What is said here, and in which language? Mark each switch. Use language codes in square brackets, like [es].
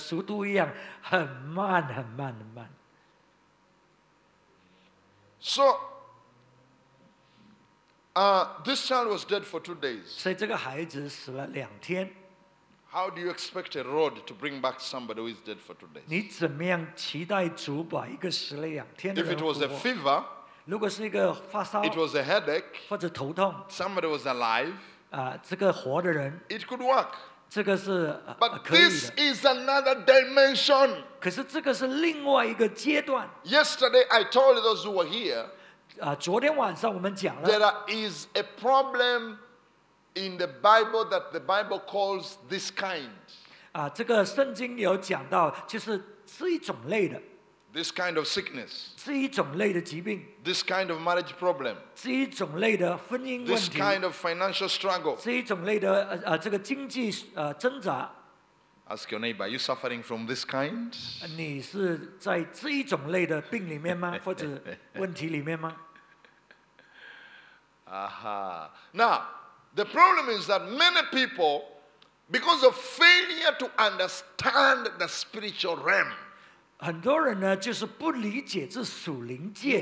[zh] 所以有一些我们的属灵生命的成长，好像驴子的速度一样，很慢，很慢，很慢。 [en] So, this child was dead for 2 days. [zh] 所以这个孩子死了两天。 [en] How do you expect a road to bring back somebody who is dead for 2 days? [zh] 你怎么样期待主把一个死了两天的人复活？ [en] If it was a fever, [zh] 如果是一个发烧， [en] it was a headache, [zh] 或者头痛， [en] somebody was alive, [zh] 这个活的人， [en] it could work. [zh] 这个是, [en] but this is another dimension. [zh] 可是这个是另外一个阶段。 [en] Yesterday, I told those who were here, [zh] 昨天晚上我们讲了, [en] there is a problem in the Bible that the Bible calls this kind. [zh] 这个圣经有讲到, 就是一种类的。 [en] This kind of sickness. [zh] 是一种类的疾病, [en] this kind of marriage problem. [zh] 是一种类的婚姻问题, [en] this kind of financial struggle. [zh] 是一种类的, 这个经济, 挣扎, [en] ask your neighbor, are you suffering from this kind? [zh] 你是在这一种类的病里面吗? 或者问题里面吗? Uh-huh. [en] Now, the problem is that many people, because of failure to understand the spiritual realm, [zh] 很多人呢，就是不理解这属灵界。